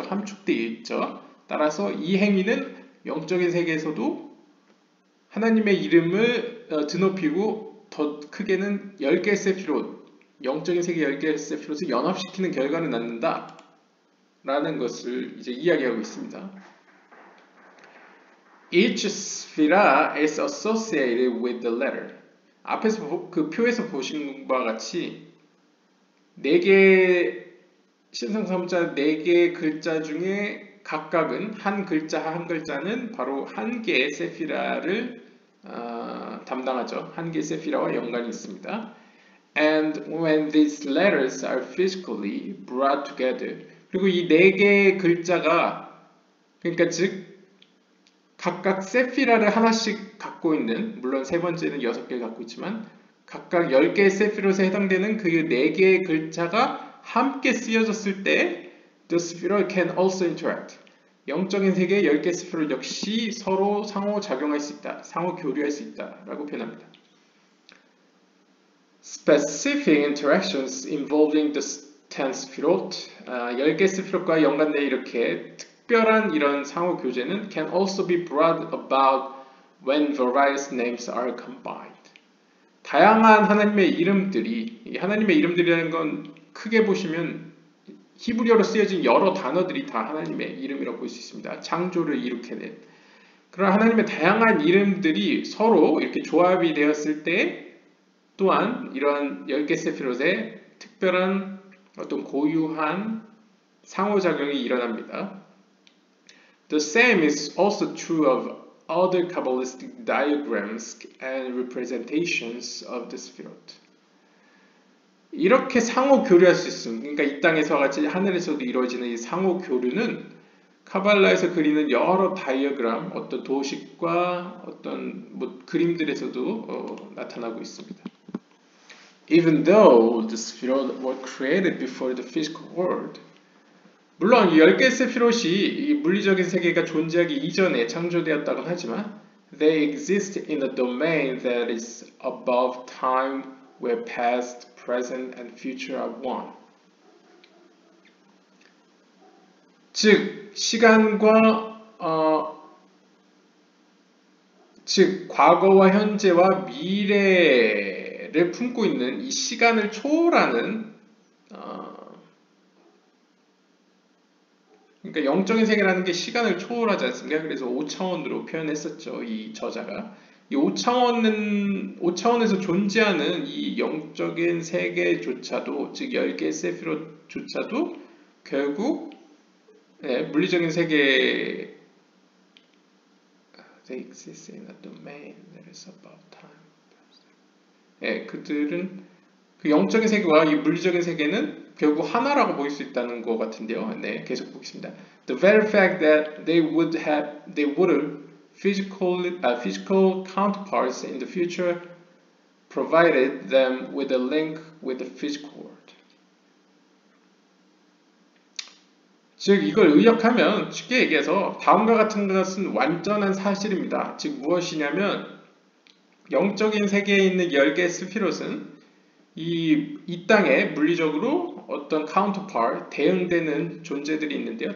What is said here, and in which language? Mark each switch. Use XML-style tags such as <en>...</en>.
<ko>함축되어 있죠. 따라서 이 행위는 영적인 세계에서도 하나님의 이름을 드높이고 더 크게는 10개의 세피롯, 영적인 세계 10개의 세피롯을 연합시키는 결과를 낳는다 라는 것을 이제 이야기하고 있습니다.</ko> <en>Each sphira is associated with the letter.</en> <ko>앞에서 그 표에서 보신 것과 같이 4개의 신성 3자 4개의 글자 중에 각각은 한 글자 한 글자는 바로 한 개의 세피라를 담당하죠. 한 개의 세피라와 연관이 있습니다.</ko> <en>And when these letters are physically brought together,</en> <ko>그리고 이 네 개의 글자가 그러니까 즉 각각 세피라를 하나씩 갖고 있는, 물론 세 번째는 여섯 개 갖고 있지만 각각 열 개의 세피롯에 해당되는 그 네 개의 글자가 함께 쓰여졌을 때</ko> <en>the spirit can also interact.</en> <ko>영적인 세계의 10개 스피롯 역시 서로 상호작용할 수 있다, 상호교류할 수 있다 라고 표현합니다.</ko> <en>Specific interactions involving the 10 스피롯,</en> <ko>10개 스피롯과 연관돼 이렇게 특별한 이런 상호교제는</ko> <en>can also be brought about when various names are combined.</en> <ko>다양한 하나님의 이름들이, 하나님의 이름들이라는 건 크게 보시면 히브리어로 쓰여진 여러 단어들이 다 하나님의 이름이라고 볼 수 있습니다. 창조를 이룩해낸. 그러나 하나님의 다양한 이름들이 서로 이렇게 조합이 되었을 때 또한 이러한 10개 세피롯의 특별한 어떤 고유한 상호작용이 일어납니다.</ko> <en>The same is also true of other Kabbalistic diagrams and representations of the spirit.</en> <ko>이렇게 상호 교류할 수 있음, 그러니까 이 땅에서와 같이 하늘에서도 이루어지는 이 상호 교류는 카발라에서 그리는 여러 다이어그램, 어떤 도식과 어떤 뭐 그림들에서도 나타나고 있습니다.</ko> <en>Even though the spirit were created before the physical world,</en> <ko>물론 10개의 세피롯이 물리적인 세계가 존재하기 이전에 창조되었다고는 하지만</ko> <en>they exist in a domain that is above time where past, present, and future are one.</en> <ko>즉 시간과 즉 과거와 현재와 미래를 품고 있는 이 시간을 초월하는 그러니까 영적인 세계라는 게 시간을 초월하지 않습니까? 그래서 5차원으로 표현했었죠. 이 저자가 이 5차원에서 존재하는 이 영적인 세계조차도 즉 10개의 세피롯조차도 결국 물리적인 세계에</ko> <en>exist in a domain that is above time.</en> <ko>그들은 그 영적인 세계와 이 물리적인 세계는 결국 하나라고 보일 수 있다는 것 같은데요. 네, 계속 보겠습니다.</ko> <en>The very fact that they would have physical counterparts in the future provided them with a link with the physical world.</en> <ko>즉 이걸 의역하면 쉽게 얘기해서 다음과 같은 것은 완전한 사실입니다. 즉 무엇이냐면 영적인 세계에 있는 10개의 스피롯은 이 땅에 물리적으로 어떤 counterpart, 대응되는 존재들이 있는데요.</ko>